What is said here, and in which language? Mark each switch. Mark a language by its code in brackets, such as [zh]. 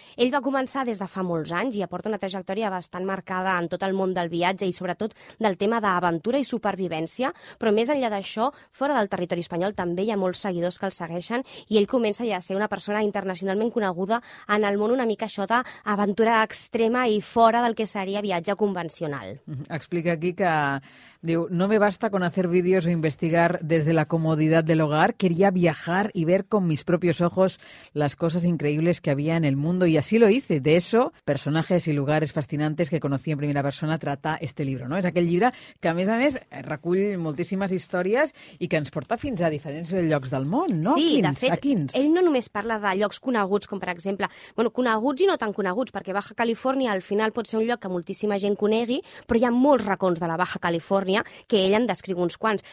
[ca] Ell va començar des de fa molts anys i aporta una trajectòria bastant marcada en tot el món del viatge i sobretot del tema d'aventura i supervivència, però més enllà d'això, fora del territori espanyol també hi ha molts seguidors que el segueixen i ell comença ja a ser una persona internacionalment coneguda en el món una mica això d'aventura extrema i fora del que seria viatge convencional. Explica aquí que diu: [es] no me basta con hacer vídeos o investigar desde la comodidad del hogar, quería viajar y ver con mis propios ojos las cosas increíbles que había en el mundo, y así lo hice. De eso, personajes y lugares fascinantes que conocí en primera persona, trata este libro, ¿no? [ca] És aquell llibre que, a més, recull moltíssimes històries i que ens porta fins a diferents llocs del món, no? Sí, quins? Ell no només parla de llocs coneguts, com per exemple, bueno, coneguts i no tan coneguts, perquè Baja Califòrnia al final pot ser un lloc que moltíssima gent conegui, però hi ha molts racons de la Baja Califòrnia que ell en descriu uns quants.